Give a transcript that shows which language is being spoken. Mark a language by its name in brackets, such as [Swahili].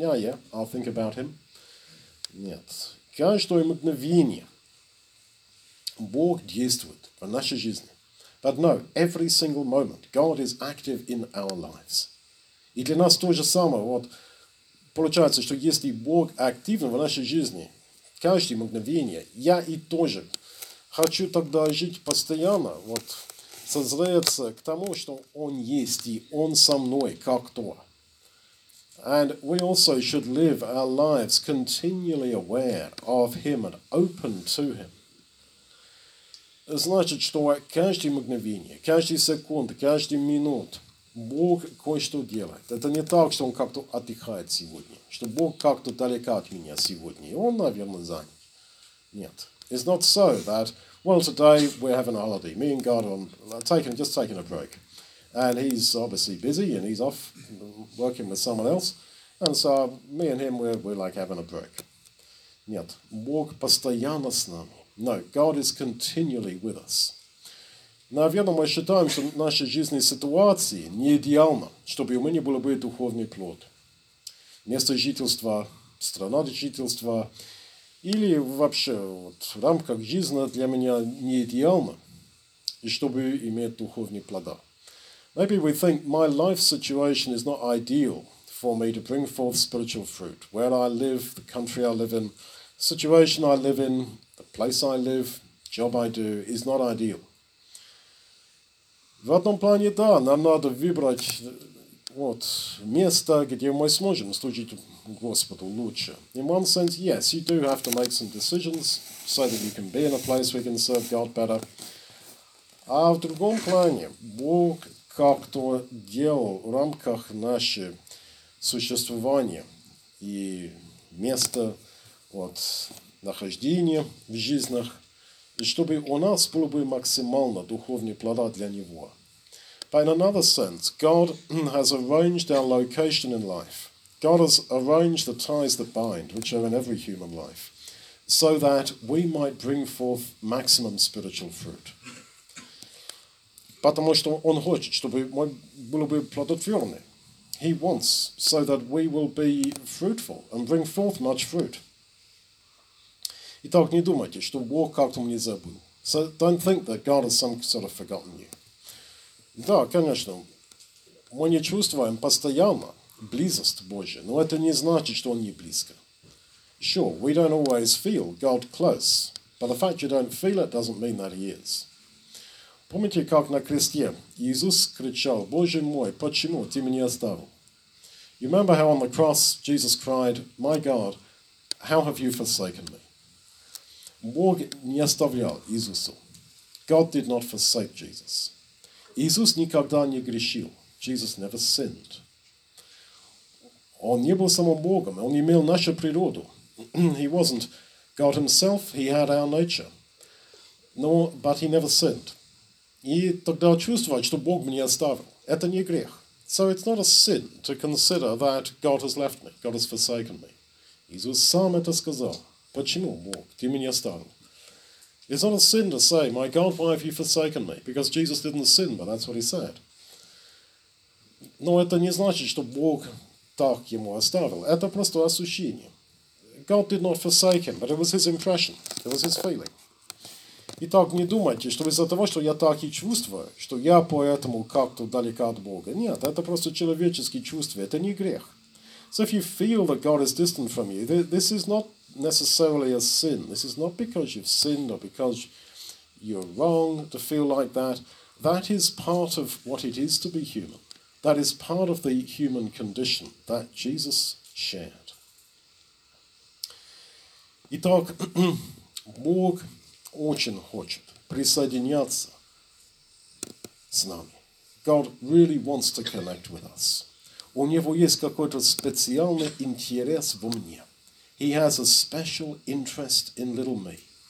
[English] Yeah, yeah, I'll think about him. [Russian] Нет. Каждое мгновение Бог действует в нашей жизни. [English] But no, every single moment, God is active in our lives. [Russian] И для нас то же самое. Вот, получается, что если Бог активен в нашей жизни, каждое мгновение, я и тоже хочу тогда жить постоянно, вот, созреться к тому, что Он есть, и Он со мной, как то. [English] And we also should live our lives continually aware of him and open to him. [Russian] Значит, что каждое мгновение, каждая секунда, каждая минута Бог кое-что делает. Это не так, что он как-то отдыхает сегодня, что Бог как-то далека от меня сегодня, и он, наверное, занят. Нет. [English] It's not so that, well, today we're having a holiday. Me and God are taking a break. And he's obviously busy, and he's off working with someone else. And so me and him, we're like having a break. [Russian] Нет, Бог постоянно с нами. [English] No, God is continually with us. [Russian] Наверное, мы считаем, что наша жизненная ситуация не идеальна, чтобы у меня был бы духовный плод. Место жительства, страна жительства, или вообще вот, в рамках жизни для меня не идеальна, и чтобы иметь духовный плод. [English] Maybe we think my life situation is not ideal for me to bring forth spiritual fruit. Where I live, the country I live in, situation I live in, the place I live, job I do, is not ideal. [Russian] В одном плане, да, нам надо выбрать вот место, где мы сможем служить Господу лучше. [English] In one sense, yes, you do have to make some decisions so that you can be in a place where you can serve God better. [Russian] А в другом плане, Бог как-то делал в рамках нашего существования и места вот, нахождения в жизнях, и чтобы у нас было бы максимально духовные плода для Него. [English] But in another sense, God has arranged our location in life. God has arranged the ties that bind, which are in every human life, so that we might bring forth maximum spiritual fruit. [Russian] Потому что Он хочет, чтобы мы были плодотворны. [English] He wants so that we will be fruitful and bring forth much fruit. [Russian] Итак, не думайте, что Бог как-то мне забыл. [English] So don't think that God has some sort of forgotten you. [Russian] Да, конечно, мы не чувствуем постоянно близость Божия, но это не значит, что Он не близко. [English] Sure, we don't always feel God close, but the fact you don't feel it doesn't mean that He is. [Russian] Помните, как на кресте Иисус кричал, «Боже мой, почему ты меня оставил?» [English] You remember how on the cross Jesus cried, «My God, how have you forsaken me?» [Russian] Бог не оставлял Иисусу. [English] God did not forsake Jesus. [Russian] Иисус никогда не грешил. [English] Jesus never sinned. [Russian] Он не был самим Богом. Он имел нашу природу. [English] He wasn't God himself. He had our nature. No, but he never sinned. [Russian] И тогда чувствовать, что Бог меня оставил. Это не грех. [English] So it's not a sin to consider that God has left me. God has forsaken me. [Russian] Иисус сам это сказал. Почему, Бог, ты меня оставил? [English] It's not a sin to say, my God, why have you forsaken me? Because Jesus didn't sin, but that's what he said. [Russian] Но это не значит, что Бог так ему оставил. Это просто ощущение. [English] God did not forsake him, but it was his impression. It was his feeling. [Russian] Итак, не думайте, что из-за того, что я так и чувствую, что я поэтому как-то далека от Бога. Нет, это просто человеческие чувства. Это не грех. [English] So if you feel that God is distant from you, this is not necessarily a sin. This is not because you've sinned or because you're wrong to feel like that. That is part of what it is to be human. That is part of the human condition that Jesus shared. [Russian] Итак, Бог очень хочет присоединяться с нами. [English] God really wants to connect with us. [Russian] У него есть какой-то специальный интерес во мне. [English] He has a special interest in little me.